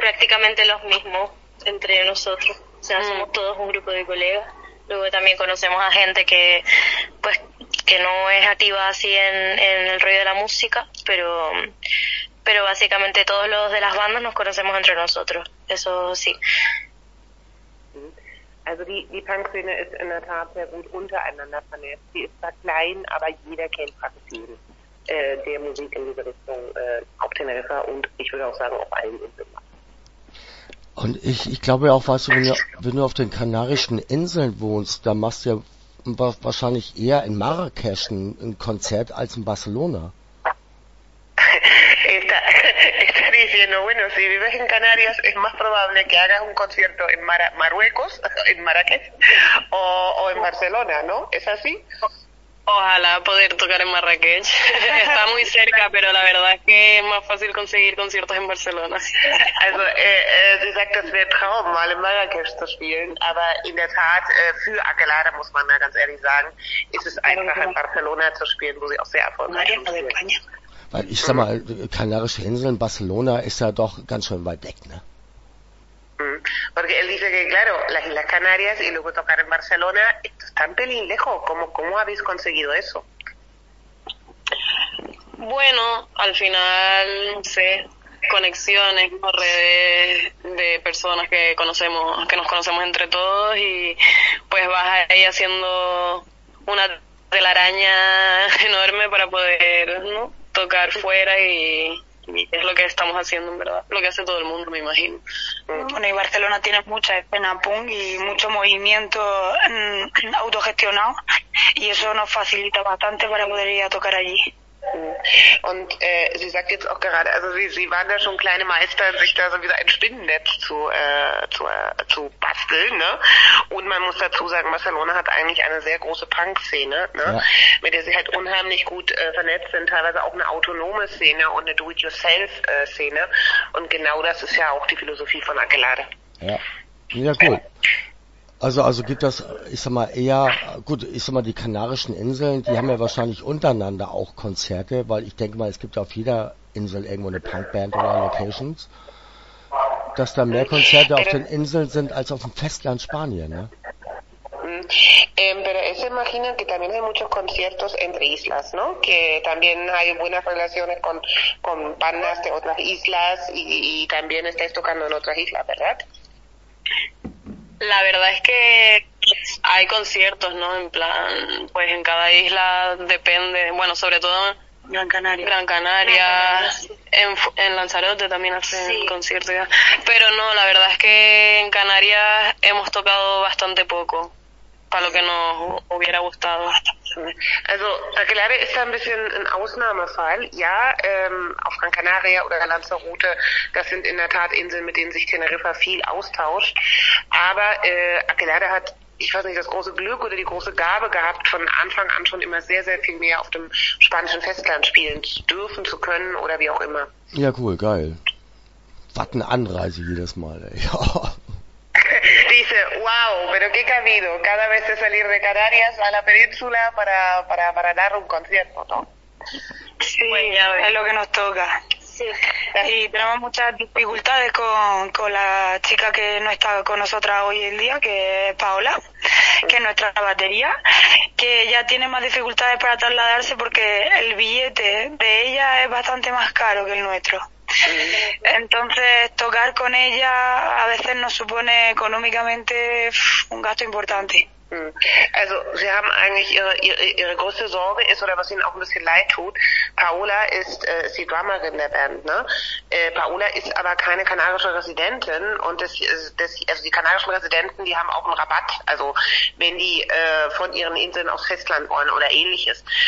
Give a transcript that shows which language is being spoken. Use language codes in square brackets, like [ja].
[es] Prácticamente los mismos entre nosotros, o sea, somos todos un grupo de colegas. Luego también conocemos a gente que no es activa así en el rollo de la música, pero básicamente todos los de las bandas nos conocemos entre nosotros, eso sí. [de] Also die Punk-Szene ist in der Tat sehr gut untereinander vernetzt. Sie ist zwar klein, aber jeder kennt praktisch jeden der Musik in dieser Richtung, auf Teneriffa und ich würde auch sagen auf allen Inseln. Und ich glaube auch, weißt du, wenn du auf den Kanarischen Inseln wohnst, da machst du ja wahrscheinlich eher in Marrakesch ein Konzert als in Barcelona. [es] Está diciendo, bueno, si vives en Canarias es más probable que hagas un concierto en Marruecos, en Marrakech, o en Barcelona, ¿no? ¿Es así? Ojalá poder tocar en Marrakech. Está muy cerca, pero la verdad es que es más fácil conseguir conciertos en Barcelona. [de] Also, sie sagt, das wäre Traum, mal in Marrakech zu spielen. Aber in der Tat, für Akelare, muss man ja ganz ehrlich sagen, ist es einfach, in Barcelona zu spielen, wo sie auch sehr erfolgreich ist. Weil ich sag mal, Kanarische Inseln, Barcelona ist ja doch ganz schön weit weg, ne? [es] Porque él dice que, claro, las Islas Canarias y luego tocar en Barcelona, esto es tan pelín lejos. ¿Cómo habéis conseguido eso? Bueno, al final, no sé, conexiones, redes de personas que conocemos, que nos conocemos entre todos, y pues vas ahí haciendo una telaraña enorme para poder, ¿no?, tocar fuera, y es lo que estamos haciendo, en verdad, lo que hace todo el mundo, me imagino. Bueno, y Barcelona tiene mucha escena punk y mucho movimiento autogestionado, y eso nos facilita bastante para poder ir a tocar allí. [de] Und sie sagt jetzt auch gerade, also sie waren da schon kleine Meister, sich da so wieder ein Spinnennetz zu basteln, ne? Und man muss dazu sagen, Barcelona hat eigentlich eine sehr große Punk-Szene, ne? Ja. Mit der sie halt unheimlich gut vernetzt sind, teilweise auch eine autonome Szene und eine Do-it-yourself-Szene. Und genau das ist ja auch die Philosophie von Aquelarre. Ja. Ja, cool. Also gibt das, ich sag mal, eher, gut, ich sag mal, die Kanarischen Inseln, die haben ja wahrscheinlich untereinander auch Konzerte, weil ich denke mal, es gibt auf jeder Insel irgendwo eine Punkband oder Locations, dass da mehr Konzerte auf den Inseln sind als auf dem Festland Spanien, ne? [es] Pero se imaginan que también hay muchos conciertos entre islas, ¿no? Que también hay buenas relaciones con bandas de otras islas y también estáis tocando en otras islas, ¿verdad? La verdad es que hay conciertos, ¿no? En plan, pues en cada isla depende, bueno, sobre todo en Gran Canaria. En Lanzarote también hacen conciertos, ¿ya? Pero no, la verdad es que en Canarias hemos tocado bastante poco, para lo que nos hubiera gustado. [de] Also, Aquelarre ist ein bisschen ein Ausnahmefall. Ja, auf Gran Canaria oder Lanzarote, das sind in der Tat Inseln, mit denen sich Teneriffa viel austauscht. Aber Aquelarre hat, ich weiß nicht, das große Glück oder die große Gabe gehabt, von Anfang an schon immer sehr, sehr viel mehr auf dem spanischen Festland spielen zu dürfen, zu können oder wie auch immer. Ja, cool, geil. Was eine Anreise jedes Mal, ey. Ja. [es] Dice, wow, pero qué camino, cada vez de salir de Canarias a la península para dar un concierto, ¿no? Sí, pues ya es lo que nos toca. Sí. Y tenemos muchas dificultades con la chica que no está con nosotras hoy en día, que es Paola, que es nuestra batería, que ella tiene más dificultades para trasladarse porque el billete de ella es bastante más caro que el nuestro. Entonces, tocar con ella a veces nos supone económicamente un gasto importante. [de] Also, sie haben eigentlich ihre größte Sorge ist, oder was ihnen auch ein bisschen leid tut, Paola ist die Drummerin der Band, ne? Paola ist aber keine kanarische Residentin, und also die kanarischen Residenten, die haben auch einen Rabatt, also wenn die von ihren Inseln aufs Festland wollen oder ähnliches.